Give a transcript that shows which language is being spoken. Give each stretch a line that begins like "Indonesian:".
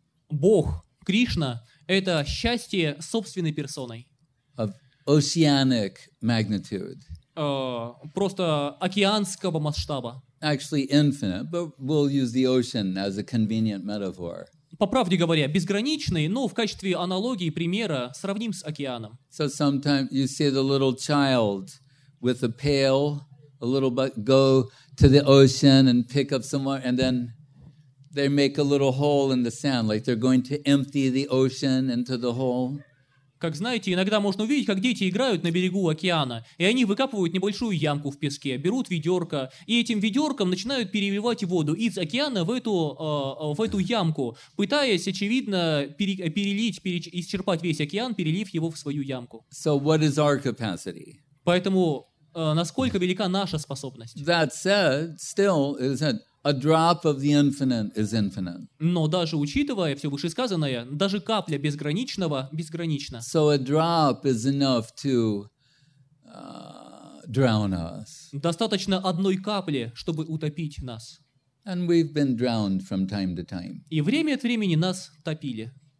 Russian: Бог, Кришна, это счастье собственной персоной.
English: Of oceanic magnitude.
Russian: Просто океанского масштаба.
English: Actually infinite, but we'll use the ocean as a convenient metaphor.
Russian: По правде говоря, безграничный, но в качестве аналогии, примера, сравним с океаном.
English: So sometimes you see the little child with a pail, a little bit, go to the ocean and pick up some water, and then they make a little hole in the sand, like they're going to empty the ocean into the hole.
Russian: Как знаете, иногда можно увидеть, как дети играют на берегу океана, и они выкапывают небольшую ямку в песке, берут ведерко, и этим ведерком начинают переливать воду из океана в эту ямку, пытаясь, очевидно, исчерпать весь океан, перелив его в свою ямку.
English: So what is our capacity?
Russian: Поэтому насколько велика наша способность?
English: That said, still, it is that a drop of the infinite is infinite.
Russian: Но даже учитывая все вышесказанное, даже капля безграничного безгранична.
English: So a drop is enough to drown us.
Russian: Достаточно одной капли, чтобы утопить нас.
English: And we've been drowned from time to time.
Russian: И время от времени нас топили.